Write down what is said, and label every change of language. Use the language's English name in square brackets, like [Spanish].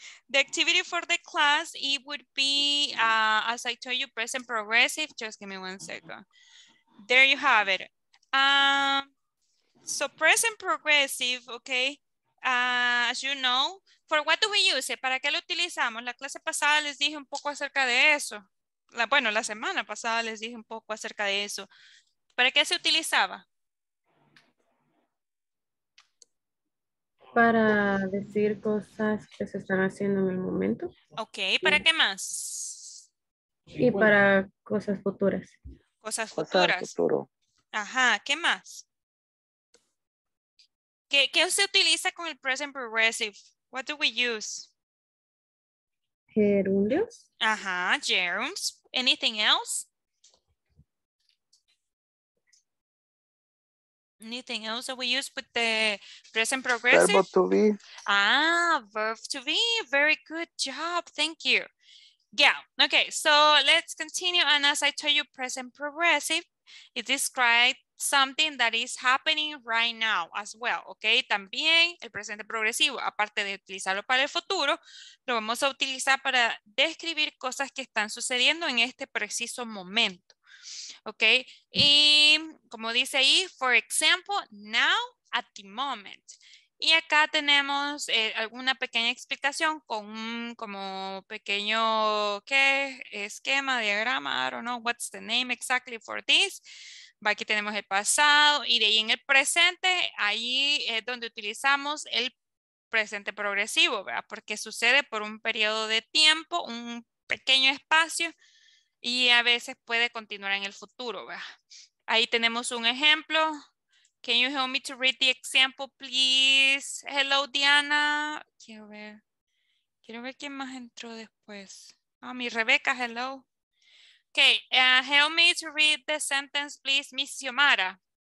[English] The activity for the class, it would be, as I told you, present progressive. Just give me one second. There you have it. So present progressive, okay? As you know, for what do we use it? [Spanish] ¿Para qué lo utilizamos? La clase pasada les dije un poco acerca de eso. La semana pasada les dije un poco acerca de eso. ¿Para qué se utilizaba? Para decir cosas que se están haciendo en el momento. Ok, ¿para qué más? Y para cosas futuras. Cosas futuras. Ajá, ¿qué más? ¿Qué se utiliza con el present progressive? [English] What do we use? [Spanish] Gerundios. [English] Ajá, gerunds. Anything else? Anything else that we use with the present progressive? Verb to be. Ah, verb to be. Very good job. Thank you. Yeah. Okay, so let's continue. And as I told you, present progressive, it describes something that is happening right now as well. [Spanish] Okay, también el presente progresivo, aparte de utilizarlo para el futuro, lo vamos a utilizar para describir cosas que están sucediendo en este preciso momento. [English] Okay, [Spanish] y como dice ahí, [English] for example, now at the moment. [Spanish] Y acá tenemos alguna pequeña explicación con un como pequeño ¿qué? Esquema, diagrama, [English] I don't know what's the name exactly for this. [Spanish] Aquí tenemos el pasado y de ahí en el presente, ahí es donde utilizamos el presente progresivo, ¿verdad? Porque sucede por un periodo de tiempo, un pequeño espacio y a veces puede continuar en el futuro, ¿verdad? Ahí tenemos un ejemplo. [English] Can you help me to read the example, please? Hello, Diana. [Spanish] Quiero ver quién más entró después. [English] Ah, mi Rebeca, hello. Okay, help me to read the sentence, please, Miss Xiomara.